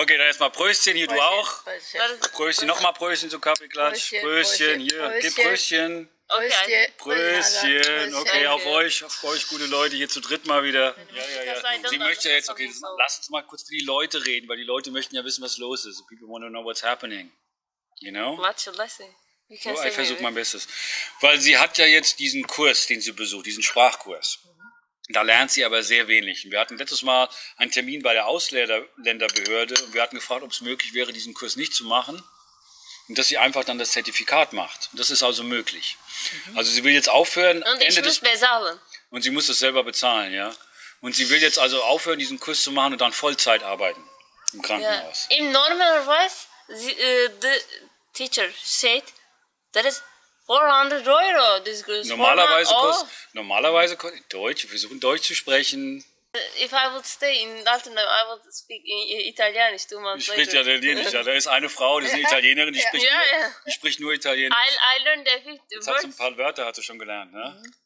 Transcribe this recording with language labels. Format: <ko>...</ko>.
<de>Okay, dann erstmal Pröstchen, hier Pröstchen, du auch. Pröstchen, nochmal Pröstchen zu Kaffeeklatsch. Pröstchen, hier, gib Pröstchen. Okay. Pröstchen, okay, auf euch gute Leute, hier zu dritt mal wieder. Ja. Sie möchte jetzt, okay, lass uns mal kurz für die Leute reden, weil die Leute möchten ja wissen, was los ist.</de> <en>People want to know what's happening, you know? What should I say? You can say,</en> <de>ich versuche mein Bestes. Weil sie hat ja jetzt diesen Kurs, den sie besucht, diesen Sprachkurs. Da lernt sie aber sehr wenig. Wir hatten letztes Mal einen Termin bei der Ausländerbehörde und wir hatten gefragt, ob es möglich wäre, diesen Kurs nicht zu machen. Und dass sie einfach dann das Zertifikat macht. Das ist also möglich. Also sie will jetzt aufhören. Und Ende ich muss bezahlen. Und sie muss das selber bezahlen, ja. Und sie will jetzt also aufhören, diesen Kurs zu machen und dann Vollzeit arbeiten im Krankenhaus.</de> <en>Ja.</en> <de>In normaler Weise,</de> <en>the teacher said, that is 400 Euro. This Kurs.</en> <de>Normalerweise kostet, Deutsch, wir versuchen Deutsch zu sprechen.</de> <en>If I would stay in Altenheim, I would speak in Italienisch.</en> <de>Du sprichst Italienisch, ja. Da ist eine Frau, die ist eine Italienerin, die spricht, die spricht nur Italienisch.</de> <en>I learned every</en> <de>word. Jetzt hat ein paar Wörter, hat sie schon gelernt, ne?</de>